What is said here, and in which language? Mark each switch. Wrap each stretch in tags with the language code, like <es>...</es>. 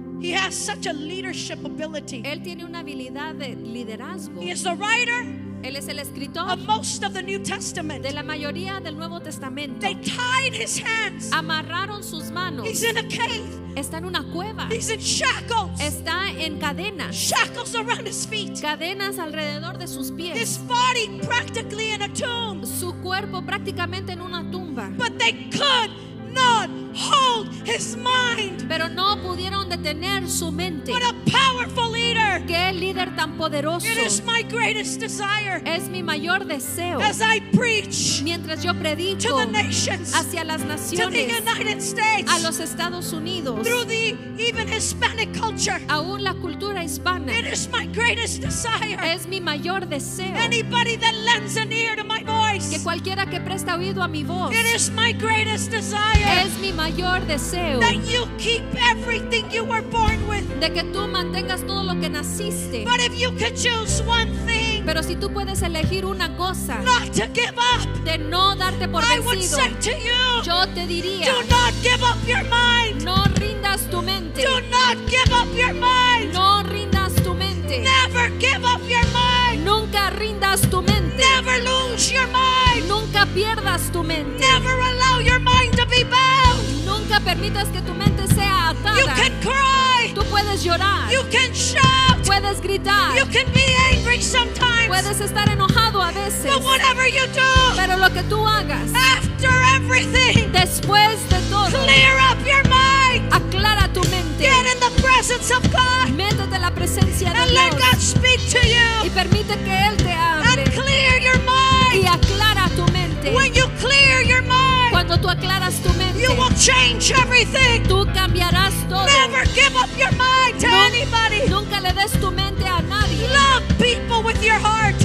<en>he has such a leadership ability.</en> <es>Él tiene una habilidad de liderazgo.</es> <en>He is the writer.</en> <es>Él es el escritor.</es> <en>Of most of the New Testament.</en> <es>De la mayoría del Nuevo Testamento.</es> <en>They tied his hands.</en> <es>Amarraron sus manos.</es> <en>He's in a cave.</en> <es>Está en una cueva.</es> <en>He's in shackles.</en> <es>Está en cadenas.</es> <en>Shackles around his feet.</en> <es>Cadenas alrededor de sus pies.</es> <en>His body practically in a tomb.</en> <es>Su cuerpo prácticamente en una tumba.</es> <en>But they could not hold his mind.</en> <es>Pero no pudieron detener su mente.</es> <en>What a powerful leader.</en> <es>Qué líder tan poderoso.</es> <en>It is my greatest desire.</en> <es>Es mi mayor deseo.</es> <en>As I preach.</en> <es>Mientras yo predico.</es> <en>To the nations.</en> <es>Hacia las naciones.</es> <en>To the United States.</en> <es>A los Estados Unidos.</es> <en>Through the even Hispanic culture.</en> <es>Aún la cultura hispana.</es> <en>It is my greatest desire.</en> <es>Es mi mayor deseo.</es> <en>Anybody that lends an ear to my voice.</en> <es>Que cualquiera que presta oído a mi voz.</es> <en>It is my greatest desire.</en> <es>Es mi mayor deseo.</es> <en>That you keep everything you were born with.</en> <es>De que tú mantengas todo lo que naciste.</es> <en>But if you could choose one thing.</en> <es>Pero si tú puedes elegir una cosa.</es> <en>Not to give up.</en> <es>De no darte por vencido.</es> <en>I would say to you.</en> <es>Yo te diría.</es> <en>Do not give up your mind.</en> <es>No rindas tu mente.</es> <en>Do not give up your mind.</en> <es>No rindas tu mente.</es> <en>Never give up your mind.</en> <es>Nunca rindas tu mente.</es> <en>Never lose your mind.</en> <es>Nunca pierdas tu mente.</es> <en>Never allow your mind to be bad.</en> <es>Nunca permitas que tu mente sea atada.</es> <en>You can cry.</en> <es>Tú puedes llorar.</es> <en>You can shout.</en> <es>Puedes gritar.</es> <en>You can be angry sometimes.</en> <es>Puedes estar enojado a veces.</es> <en>But whatever you do,</en> <es>pero lo que tú hagas,</es> <en>after everything,</en> <es>después de todo,</es> <en>clear up your mind.</en> <es>Aclara tu mente.</es> <en>Get in the presence of God.</en> <es>Métete en la presencia de Dios.</es> <en>And let God speak to you.</en> <es>Y permite que Él te hable.</es> <en>And clear your mind.</en> <es>Y aclara tu mente.</es> <en>When you clear your mind,</en> <es>cuando cuando tú aclaras tu mente,</es> <en>you will change everything.</en> <es>Tú cambiarás todo.</es> <en>Never give up your mind to anybody.</en> <es>Nunca le des tu mente a nadie.</es> <en>Love people with your heart.</en>